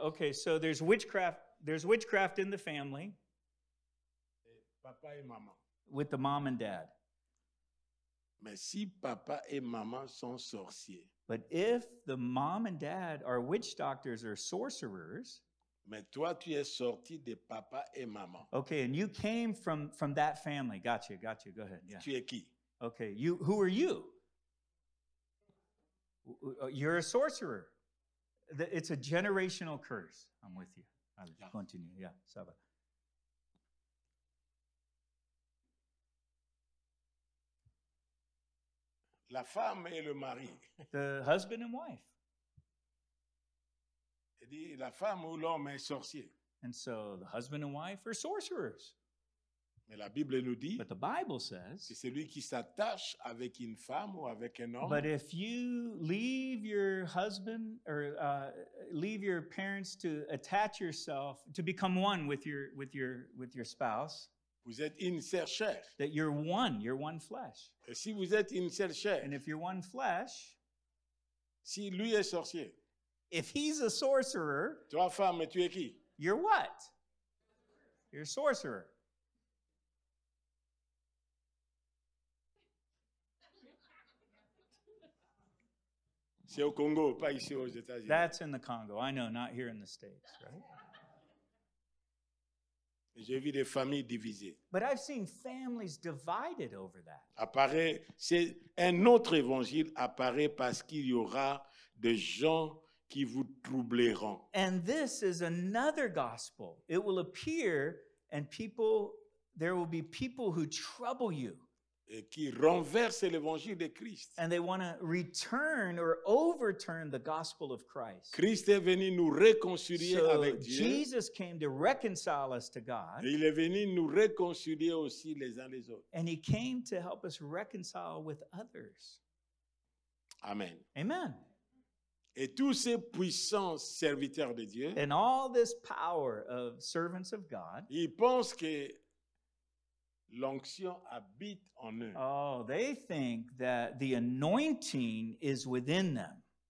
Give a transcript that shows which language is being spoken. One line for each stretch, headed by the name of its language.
English: Okay, so there's witchcraft in the family.
French: Papa et maman.
English: With the mom and dad.
French: Mais si papa et maman sont sorciers.
English: But if the mom and dad are witch doctors or sorcerers.
French: Mais toi, tu es sorti de papa et maman.
English: Okay, and you came from that family. Gotcha. Go ahead. Yeah.
French: Tu es qui?
English: Okay, who are you? You're a sorcerer. It's a generational curse. I'm with you. I'll continue. Yeah,
French: ça va. La femme et le mari.
English: The husband and wife.
French: Il dit, la femme ou l'homme est sorcier.
English: And so the husband and wife are sorcerers.
French: Mais la Bible nous dit.
English: But the Bible says.
French: Que celui qui s'attache avec une femme ou avec un homme.
English: But if you leave your husband or leave your parents to attach yourself to become one with your spouse.
French: Vous êtes une seule chair.
English: That you're one flesh.
French: Et si vous êtes une seule chair.
English: And if you're one flesh.
French: Si lui est sorcier.
English: If he's a sorcerer.
French: Toi, femme, tu es qui?
English: You're what? You're a sorcerer.
French: C'est au Congo, pas ici aux États-Unis.
English: That's in the Congo. I know, not here in the States, right?
French: J'ai vu des familles divisées.
English: But I've seen families divided over that.
French: Apparaît, c'est un autre évangile apparaît parce qu'il y aura des gens qui vous troubleront.
English: And this is another gospel. It will appear and there will be people who trouble you.
French: Et qui renversent l'évangile de Christ.
English: And they want to return or overturn the gospel of Christ.
French: Christ est venu nous réconcilier
English: so
French: avec Dieu.
English: Jesus came to reconcile us to God.
French: Et il est venu nous réconcilier aussi les uns les autres.
English: And he came to help us reconcile with others.
French: Amen.
English: Amen.
French: Et tous ces puissants serviteurs de Dieu.
English: And all this power of servants of God.
French: Ils pensent que l'onction habite en eux.
English: Oh, they think that the anointing is within them.